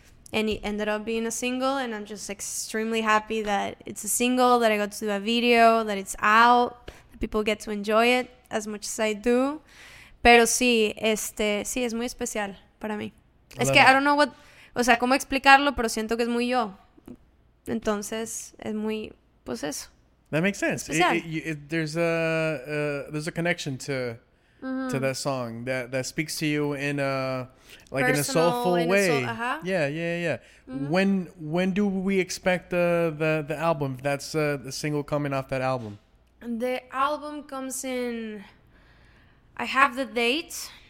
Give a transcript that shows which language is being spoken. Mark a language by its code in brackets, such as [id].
[en] And it ended up being a single, and I'm just extremely happy that it's a single, that I got to do a video, that it's out, that people get to enjoy it as much as I do. [es] Pero sí, sí, es muy especial para mí. Es que, [en] I don't know what, [es] o sea, cómo explicarlo, pero siento que es muy yo. Entonces, es muy, pues eso. [en] That makes sense. There's a connection to... Mm-hmm. To that song that speaks to you in a like personal, in a soulful in way. A soul, uh-huh. Yeah. Mm-hmm. When do we expect the album? That's the single coming off that album. The album comes in. I have the date.